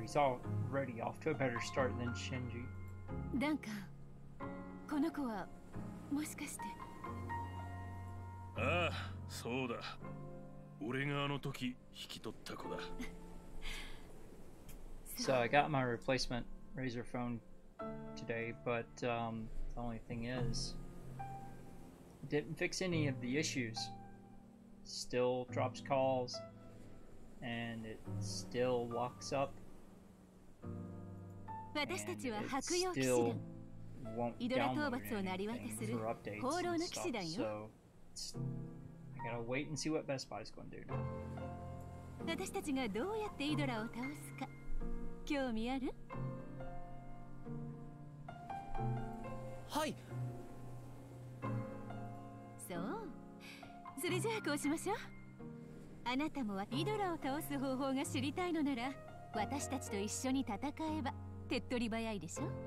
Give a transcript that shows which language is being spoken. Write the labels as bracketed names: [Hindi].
[English] He's already off to a better start than Shinji. [Japanese] ダンカン、この子はもしかして？ああ、そうだ。俺があの時引き取った子だ。 [English] So I got my replacement Razor phone today, but the only thing is... Didn't fix any of the issues. Still drops calls, and it still locks up. And it still won't download anything for updates and stuff. So I gotta wait and see what Best Buy is going to do. [Japanese] 私たちがどうやってイドラを倒すか、興味ある？はい。そう、それじゃあこうしましょう。あなたもイドラを倒す方法が知りたいのなら、私たちと一緒に戦えば手っ取り早いでしょ。